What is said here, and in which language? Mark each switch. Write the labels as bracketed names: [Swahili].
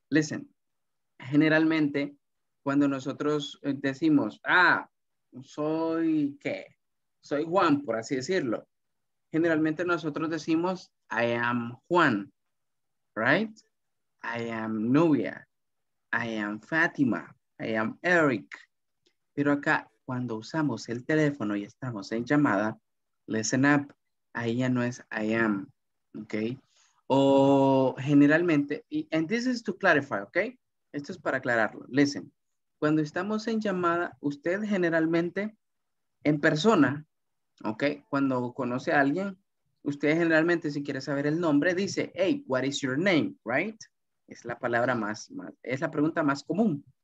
[English] Listen, [Spanish] generalmente, cuando nosotros decimos, ah, soy qué, soy Juan, por así decirlo, generalmente nosotros decimos, [English] I am Juan, right? I am Nubia, I am Fatima, I am Eric. [Spanish] Pero acá, cuando usamos el teléfono y estamos en llamada, [English] listen up, [Spanish] ahí ya no es [English] I am, okay? [Spanish] O generalmente, [English] and this is to clarify, okay? [Spanish] Esto es para aclararlo. [English] Listen, [Spanish] cuando estamos en llamada, usted generalmente en persona, okay? Cuando conoce a alguien, usted generalmente si quiere saber el nombre, dice, [English] hey, what is your name, right? [Spanish] Es la palabra más, es la pregunta más común.